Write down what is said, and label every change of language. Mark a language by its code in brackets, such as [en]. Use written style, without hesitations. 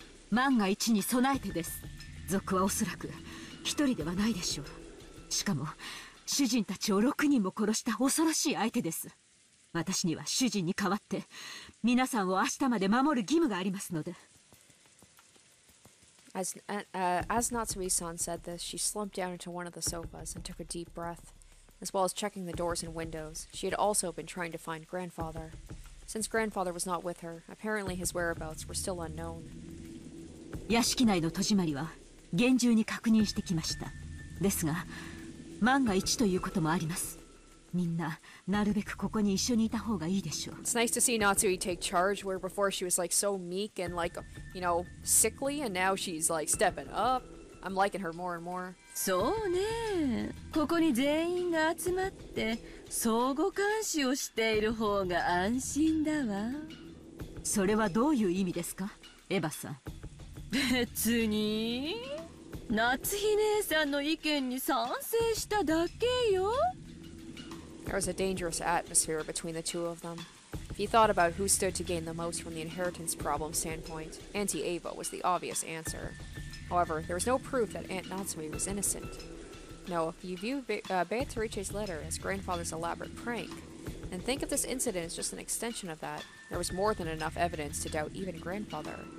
[ja] 万が一に備えてです。賊はおそらく一人ではないでしょう。しかも主人たちを6人も殺した恐ろしい相手です。私には主人に代わって皆さんを明日まで守る義務がありますので。 [en] As Natsumi-san said this, she slumped down into one of the sofas and took a deep breath. As well as checking the doors and windows, she had also been trying to find Grandfather. Since Grandfather was not with her, apparently his whereabouts were still unknown. [ja] 屋敷内の戸締まりは厳重に確認してきました。ですが、万が一ということもあります。みんな、なるべくここに一緒にいた方がいいでしょう。 [en] It's nice to see Natsumi take charge, where before she was like so meek and like, you know, sickly, and now she's like stepping up. I'm liking her more and more. [ja] そうね。ここに全員が集まって、相互監視をしている方が安心だわ。それはどういう意味ですか、エヴァさん。別に、夏姫姉さんの意見に賛成しただけよ。 [en] There was a dangerous atmosphere between the two of them. If you thought about who stood to gain the most from the inheritance problem standpoint, Auntie Ava was the obvious answer. However, there was no proof that Aunt Natsumi was innocent. No, if you view Beatrice's letter as Grandfather's elaborate prank, and think of this incident as just an extension of that, there was more than enough evidence to doubt even Grandfather.